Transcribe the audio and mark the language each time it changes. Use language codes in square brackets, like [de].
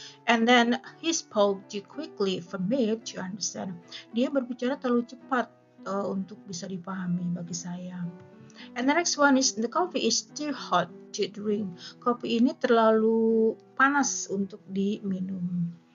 [en] And then he spoke too quickly for me to understand. [id] Dia berbicara terlalu cepat untuk bisa dipahami bagi saya. [en] And the next one is the coffee is too hot to drink. [id] Kopi ini terlalu panas untuk diminum.